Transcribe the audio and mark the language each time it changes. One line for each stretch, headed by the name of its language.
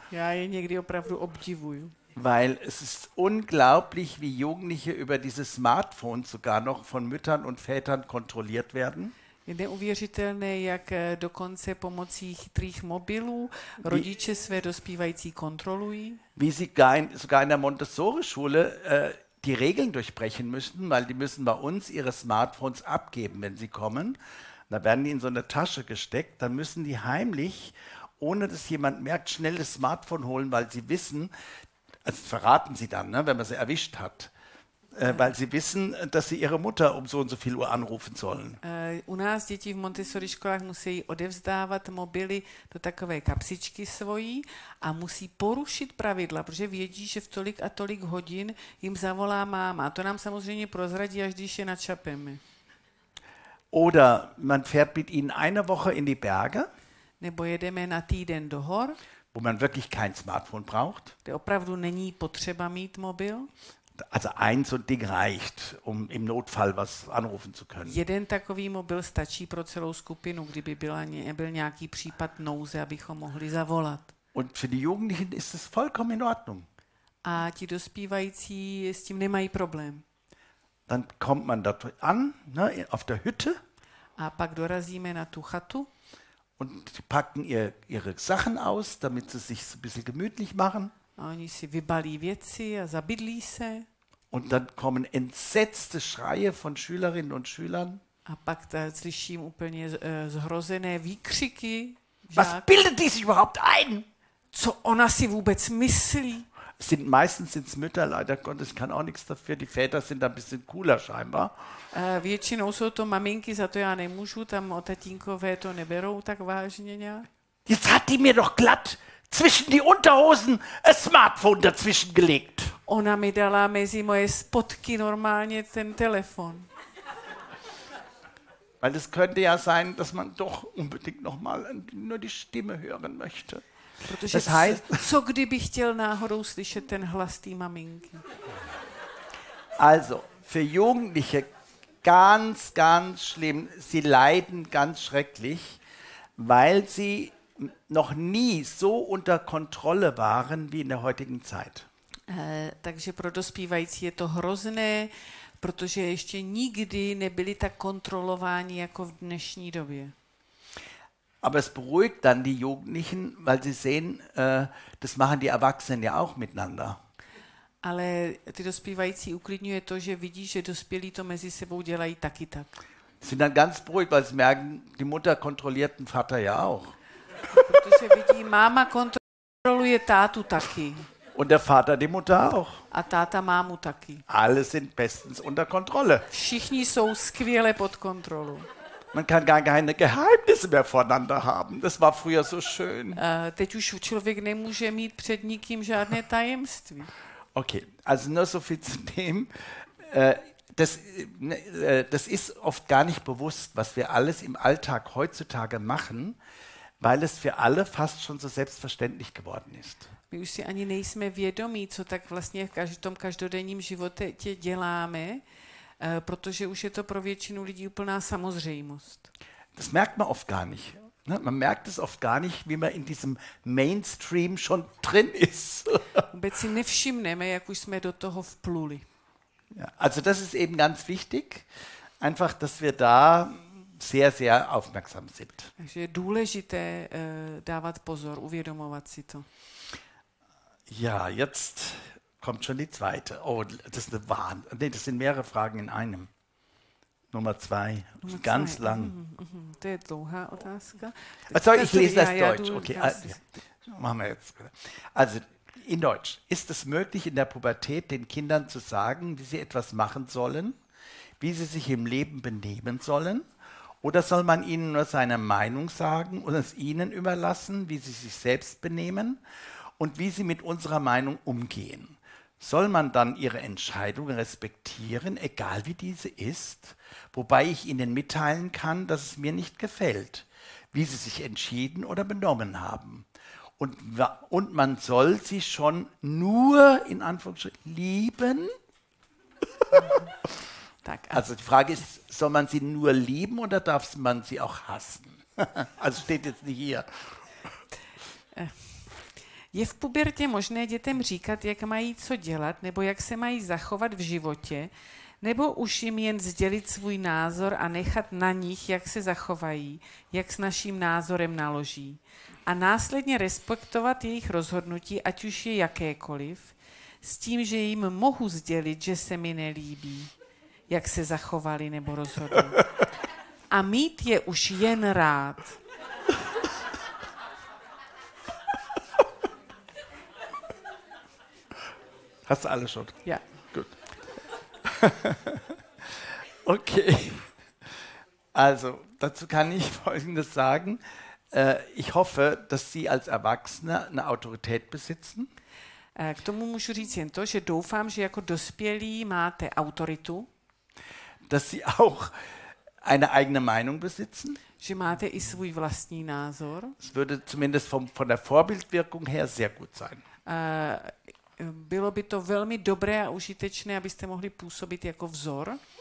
Czech: Já je někdy opravdu obdivuju.
German: Weil es ist unglaublich, wie Jugendliche über diese Smartphones sogar noch von Müttern und Vätern kontrolliert werden.
Czech: Je neuvěřitelné, jak dokonce pomocí chytrých mobilů rodiče své dospívající kontrolují.
German: Wie sie sogar in der Montessori-Schule die Regeln durchbrechen müssen, weil die müssen bei uns ihre Smartphones abgeben, wenn sie kommen. Da werden die in so eine Tasche gesteckt, dann müssen die heimlich, ohne dass jemand merkt, schnell das Smartphone holen, weil sie wissen, also verraten sie dann, ne, wenn man sie erwischt hat. Weil sie wissen, dass sie ihre Mutter um so und so viel Uhr anrufen sollen.
Czech: U nás děti v Montessori školách musí odevzdávat mobily do takové kapsičky svojí a musí porušit pravidla, protože vědí, že v tolik a tolik hodin jim zavolá máma. A to nám samozřejmě prozradí, až když je načapeme.
German: Oder man fährt mit ihnen eine Woche in die Berge.
Czech: Nebo jedeme na týden do hor.
German: Wo man wirklich kein Smartphone braucht.
Czech: Kde opravdu není potřeba mít mobil.
German: Also ein so ein Ding reicht, um im Notfall was anrufen zu können.
Czech: Jeden takový mobil stačí pro celou skupinu, kdyby byl nějaký případ nouze, abychom mohli zavolat.
German: Und für die Jugendlichen ist es vollkommen in Ordnung.
Czech: A ti dospívající s tím nemají problém.
German: Dann kommt man dort an, ne, auf der Hütte.
Czech: A pak dorazíme na tu chatu.
German: Und packen ihre Sachen aus, damit sie sich so ein bisschen gemütlich machen.
Czech: A oni si vybalí věci a zabydlí se.
German: Und dann kommen entsetzte Schreie von Schülerinnen und Schülern.
Czech: A pak da slyším úplně zhrozené výkřiky.
German: Was bildet die sich überhaupt ein?
Czech: Co ona si vůbec myslí?
German: Sind meistens sind's Mütter, leider Gottes, kann auch nichts dafür. Die Väter sind da ein bisschen cooler scheinbar.
Czech: Většinou jsou to maminky, za to já nemůžu, tam o tatínkové to neberou tak vážně nějak.
German: Jetzt hat die mir doch glatt zwischen die Unterhosen ein Smartphone dazwischen gelegt.
Czech: Ona mi dala mezi moje spodky normálně ten telefon.
German: Weil es könnte ja sein, dass man doch unbedingt noch mal nur die Stimme hören möchte.
Czech: Protože
German: das heißt,
Czech: co kdyby chtěl náhodou slyšet ten hlas té maminky.
German: Also, für Jugendliche ganz, ganz schlimm. Sie leiden ganz schrecklich, weil sie noch nie so unter Kontrolle waren wie in der heutigen Zeit.
Czech: Takže pro dospívající je to hrozné, protože ještě nikdy nebyli tak kontrolováni jako v dnešní době.
German: Aber es beruhigt dann die Jugendlichen, weil sie sehen, das machen die Erwachsenen ja auch miteinander.
Czech: Ale ty dospívající uklidňuje to, že vidí, že dospělí to mezi sebou dělají taky tak.
German: Sind dann ganz beruhigt, weil sie merken, die Mutter kontrolliert den Vater ja auch.
Czech: Protože vidí, máma kontroluje tátu taky.
German: Und der Vater die Mutter auch.
Czech: A táta mámu taky.
German: Alle sind bestens unter Kontrolle.
Czech: Všichni jsou skvěle pod kontrolou.
German: Man kann gar keine Geheimnisse mehr voneinander haben. Das war früher so schön.
Czech: Teď už člověk nemůže mít před nikým žádné tajemství.
German: Okay, also nur so viel zu dem. Das ist oft gar nicht bewusst, was wir alles im Alltag heutzutage machen, weil es für alle fast schon so selbstverständlich geworden ist.
Czech: My už si ani nejsme vědomí, co tak vlastně v tom každodenním životě děláme, protože už je to pro většinu lidí úplná samozřejmost.
German: Das merkt man oft gar nicht. Man merkt es oft gar nicht, wie man in diesem Mainstream schon drin ist.
Czech: Vůbec si nevšimneme, jak už jsme do toho vpluli.
German: Ja, also das ist eben ganz wichtig, einfach, dass wir da sehr, sehr aufmerksam sind.
Czech: Takže je důležité dávat pozor, uvědomovat si to.
German: Ja, jetzt kommt schon die zweite. Oh, das ist eine Wahnsinn. Nee, das sind mehrere Fragen in einem. Nummer zwei, Nummer ganz zwei. Lang.
Czech: To je dlouhá otázka.
German: Oh, sorry, ich lese das Deutsch. Okay, machen wir jetzt. Also, in Deutsch. Ist es möglich, in der Pubertät den Kindern zu sagen, wie sie etwas machen sollen, wie sie sich im Leben benehmen sollen? Oder soll man ihnen nur seine Meinung sagen und es ihnen überlassen, wie sie sich selbst benehmen und wie sie mit unserer Meinung umgehen? Soll man dann ihre Entscheidung respektieren, egal wie diese ist, wobei ich ihnen mitteilen kann, dass es mir nicht gefällt, wie sie sich entschieden oder benommen haben? Und man soll sie schon nur, in Anführungsstrichen, lieben? Also die Frage ist, soll man sie nur lieben oder darf man sie auch hassen? Also steht jetzt nicht hier.
Czech: Je v pubertě možné dětem říkat, jak mají co dělat, nebo jak se mají zachovat v životě, nebo už jim jen sdělit svůj názor a nechat na nich, jak se zachovají, jak s naším názorem naloží. A následně respektovat jejich rozhodnutí, ať už je jakékoliv, s tím, že jim mohu sdělit, že se mi nelíbí, jak se zachovali nebo rozhodli. A mít je už jen rád.
German: Hast du alles schon? Ja. Gut. Okay. Also, dazu kann ich Folgendes sagen. Ich hoffe, dass Sie als Erwachsene eine Autorität besitzen.
Czech: K tomu můžu říct jen to, že doufám, že jako dospělí máte autoritu.
German: Dass Sie auch eine eigene Meinung besitzen.
Czech: Že máte i svůj vlastní názor.
German: Es würde zumindest von der Vorbildwirkung her sehr gut sein.
Czech: Bylo by to velmi dobré a užitečné, abyste mohli působit jako vzor.